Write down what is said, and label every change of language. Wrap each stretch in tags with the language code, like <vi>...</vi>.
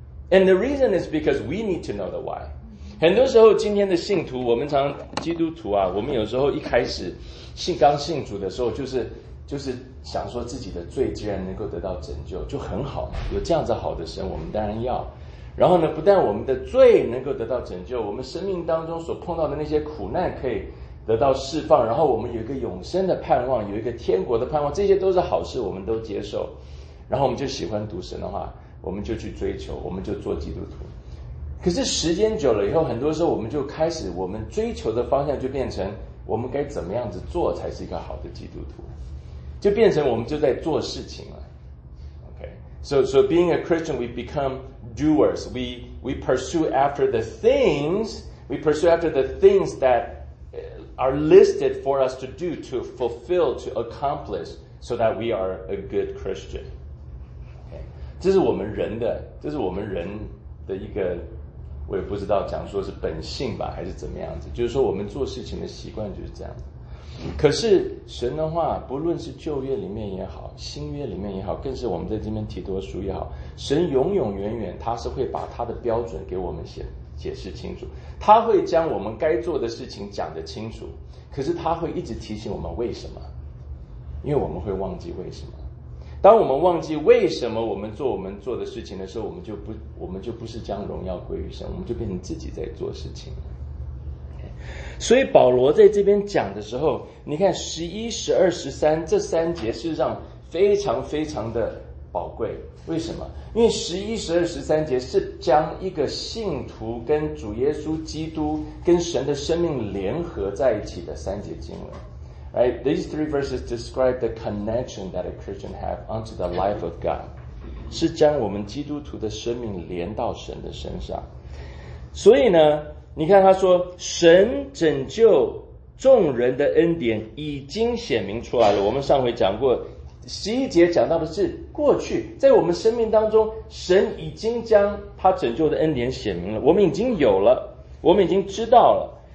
<en>And the reason is because we need to know the why.</en> <zh>很多时候今天的信徒，我们常基督徒啊，我们有时候一开始信刚信主的时候，就是想说自己的罪既然能够得到拯救就很好嘛，有这样子好的神我们当然要。然后呢，不但我们的罪能够得到拯救，我们生命当中所碰到的那些苦难可以得到释放，然后我们有一个永生的盼望，有一个天国的盼望，这些都是好事，我们都接受。然后我们就喜欢读神的话，我们就去追求，我们就做基督徒。可是时间久了以后，很多时候我们就开始，我们追求的方向就变成我们该怎么样子做才是一个好的基督徒，就变成我们就在做事情了。</zh> <en>Okay, so being a Christian, we become doers. We pursue after the things, we pursue after the things that are listed for us to do, to fulfill, to accomplish, so that we are a good Christian.</en> <zh>Okay, 这是我们人的一个，我也不知道讲说是本性吧还是怎么样子，就是说我们做事情的习惯就是这样。可是神的话，不论是旧约里面也好，新约里面也好，更是我们在这边提多书也好，神永永远远他是会把他的标准给我们解释清楚，他会将我们该做的事情讲得清楚，可是他会一直提醒我们为什么，因为我们会忘记为什么。当我们忘记为什么我们做的事情的时候，我们就不是将荣耀归于神，我们就变成自己在做事情。所以保罗在这边讲的时候，你看十一、十二、十三这三节事实上非常非常的宝贵。为什么？因为十一、十二、十三节是将一个信徒跟主耶稣基督跟神的生命联合在一起的三节经文。</zh> <en>Right, these three verses describe the connection that a Christian have unto the life of God.</en> <zh>是将我们基督徒的生命连到神的身上。所以呢，你看他说，神拯救众人的恩典已经显明出来了。我们上回讲过，十一节讲到的是过去，在我们生命当中，神已经将他拯救的恩典显明了，我们已经有了，我们已经知道了。</zh>